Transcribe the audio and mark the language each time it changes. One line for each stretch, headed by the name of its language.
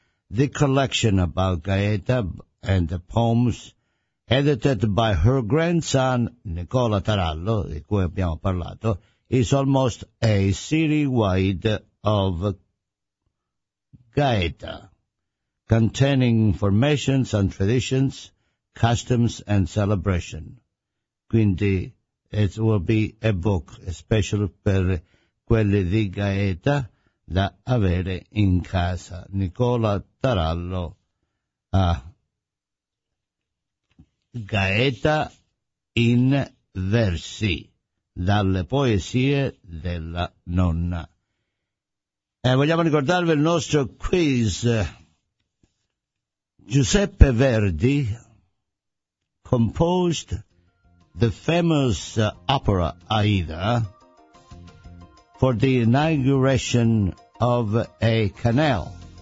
English: The collection about Gaeta and the poems, edited by her grandson Nicola Tarallo,
Italian: di cui abbiamo parlato,
English: is almost a city-wide of Gaeta, containing informations on traditions, customs and celebration.
Italian: Quindi
English: It will be a book special
Italian: per quelli di Gaeta da avere in casa. Nicola Tarallo a Gaeta in versi, dalle poesie della nonna. Vogliamo ricordarvi il nostro quiz.
English: Giuseppe Verdi composed the famous opera Aida for the inauguration of a canal.